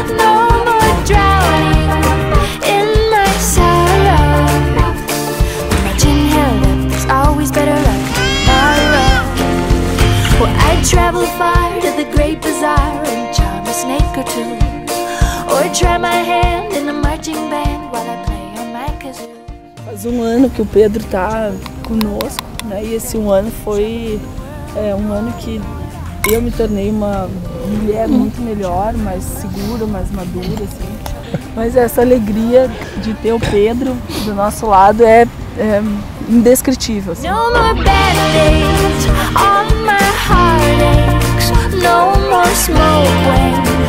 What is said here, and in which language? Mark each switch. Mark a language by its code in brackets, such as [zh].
[en] No more drowning in my sorrow. My gin held up, there's always better luck tomorrow. Well, I'd travel far to the great bazaar and charm a snake or two, or try my hand in a marching band while I play on my kazoo. [pt] Faz um ano que o Pedro está conosco, né? E esse um ano foi um ano que eu me tornei uma mulher muito melhor, mais segura, mais madura, assim. Mas essa alegria de ter o Pedro do nosso lado é indescritível, assim. [en] No more bad days, all my heartaches, no more smoking.